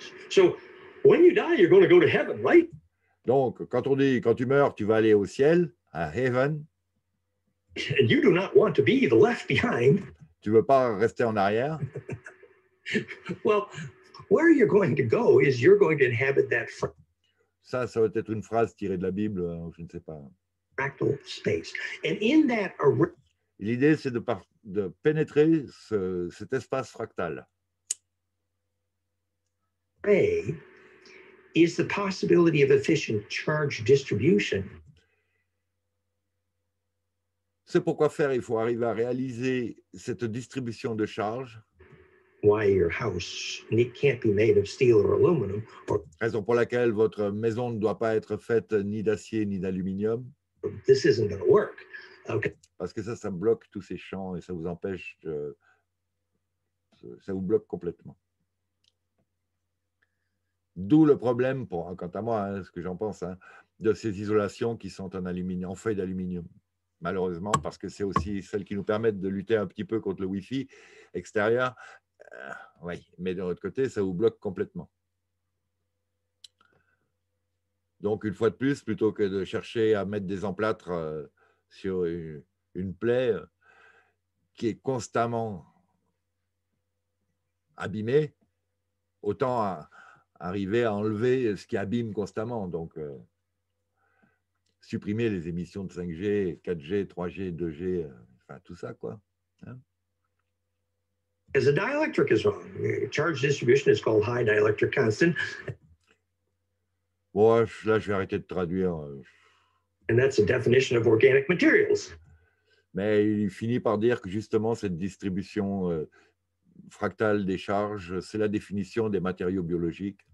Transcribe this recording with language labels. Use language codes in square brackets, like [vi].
[en] So when you die, you're going to go to heaven, right? [fr] Donc quand tu meurs, tu vas aller au ciel, à Heaven. [en] And you do not want to be the left behind. [fr] Tu veux pas rester en arrière? [en] Well, where you're going to go is you're going to inhabit that. [fr] Ça va être une phrase tirée de la Bible, je ne sais pas. [en] Fractal space, and in that array. [fr] L'idée c'est de pénétrer cet espace fractal. [en] Array is the possibility of efficient charge distribution. [fr] C'est pourquoi faire, il faut arriver à réaliser cette distribution de charge. [en] Why your house can't be made of steel or aluminum. [fr] Raison pour laquelle votre maison ne doit pas être faite ni d'acier ni d'aluminium. [en] This isn't going to work. Okay. [fr] Parce que ça bloque tous ces champs et ça vous empêche de. Ça vous bloque complètement. D'où le problème, quant à moi, ce que j'en pense, de ces isolations qui sont en aluminium, en feuilles d'aluminium. Malheureusement, parce que c'est aussi celles qui nous permettent de lutter un petit peu contre le Wi-Fi extérieur. Oui, mais de l'autre côté, ça vous bloque complètement. Donc, une fois de plus, plutôt que de chercher à mettre des emplâtres sur une plaie qui est constamment abîmée, autant arriver à enlever ce qui abîme constamment. Donc, supprimer les émissions de 5G, 4G, 3G, 2G, enfin tout ça, quoi. [en] As a dielectric is wrong. Charge distribution is called high dielectric constant. [fr] Bon, là, je vais arrêter de traduire. [en] And that's a definition of organic materials. [fr] Mais il finit par dire que justement cette distribution fractale des charges, c'est la définition des matériaux biologiques.